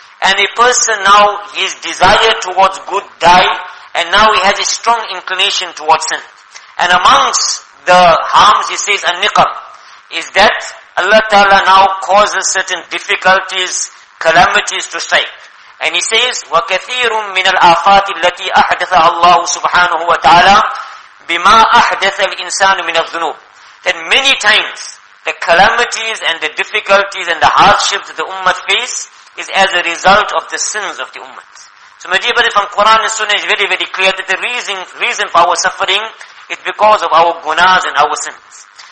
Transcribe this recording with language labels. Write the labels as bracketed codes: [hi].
[en] And a person now, his desire towards good die, and now he has a strong inclination towards sin. And amongst the harms, he says, an-niqab, is that Allah Ta'ala now causes certain difficulties, calamities to strike. [ar] And he says, وَكَثِيرٌ مِّنَ الْآفَاتِ الَّتِي أَحْدَثَ اللَّهُ سُبْحَانَهُ وَتَعَالَى بِمَا أَحْدَثَ الْإِنسَانُ مِّنَ الظُّنُوبِ. [en] That many times, the calamities and the difficulties and the hardships that the ummah face is as a result of the sins of the ummah. So my dear brothers, from Quran and Sunnah is very, very clear that the reason for our suffering is because of our gunas and our sins.